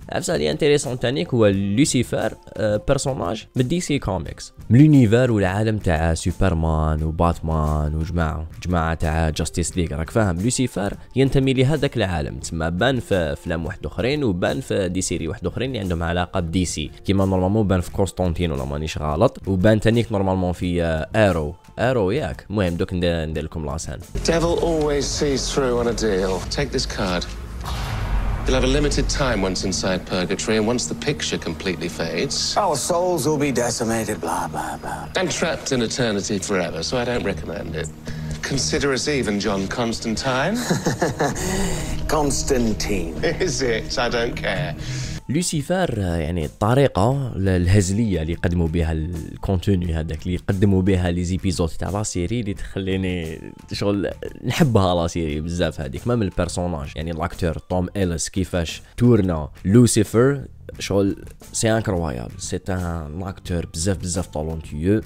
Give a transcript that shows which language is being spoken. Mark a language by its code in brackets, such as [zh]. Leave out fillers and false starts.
[ar] نفس هذه انتريسون تانيك هو لوسيفر بيرسوناج من دي سي كوميكس من لونيفر والعالم تاع سوبرمان وباتمان وجماعه تاع جاستيس ليغ راك فاهم. لوسيفر ينتمي لهذاك العالم تما بان في افلام واحد اخرين وبان في دي سيري واحد اخرين اللي عندهم علاقه بدي سي كيما نورمالمون بان في كونستانتين ولا مانيش غلط وبان تانيك نورمالمون في ايرو أروياك. مهم دوك ندير لكم لاسان. [en] Devil always sees through on a deal. Take this card. You'll have a limited time once inside purgatory and once the picture completely fades. Our souls will be decimated blah blah blah. And trapped in eternity forever, so I don't recommend it. Consider us even John Constantine. Constantine. Is it? I don't care. [ar] لوسيفر يعني الطريقه الهزليه اللي قدموا بها الكونتينيو هذاك اللي قدموا بها لي زيبيزود تاع لا سيري اللي تخليني شغل نحبها لا سيري بزاف هذيك ما من البيرسوناج يعني لاكتور توم إيلس كيفاش تورنا لوسيفر شغل [fr] سي انكرويابل سي ان اكتور [ar] بزاف بزاف طالونتيو.